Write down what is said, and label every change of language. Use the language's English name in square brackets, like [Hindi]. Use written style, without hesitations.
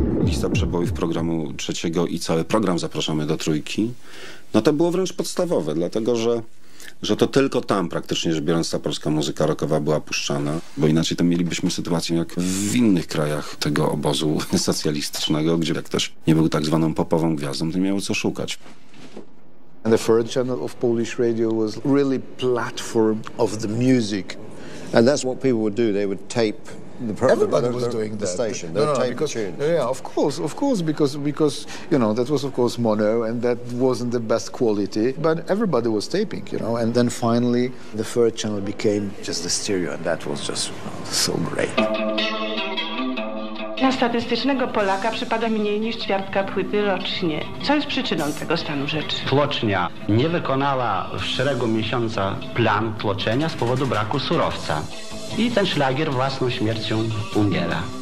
[Polish] Lista przebojów programu trzeciego i cały program zapraszamy do trójki. No to było wręcz podstawowe, dlatego że to tylko tam praktycznie rzecz biorąc ta polska muzyka rockowa była puszczana, bo inaczej to mielibyśmy sytuację jak w innych krajach tego obozu socjalistycznego, gdzie jak ktoś nie był tak zwaną popową gwiazdą, to miał co szukać. [English] And the third channel of Polish radio was really platform of the music. And that's what people would do, they would tape the program. Everybody was doing that. The station, they would tape because, the tunes. Yeah, of course, because you know, that was of course mono and that wasn't the best quality, but everybody was taping, you know, and then finally the third channel became just the stereo and that was just so great. [Polish] Na statystycznego Polaka przypada mniej niż ćwiartka płyty rocznie. Co jest przyczyną tego stanu rzeczy? Tłocznia nie wykonała w szeregu miesiąca plan tłoczenia z powodu braku surowca. I ten szlagier własną śmiercią umiera.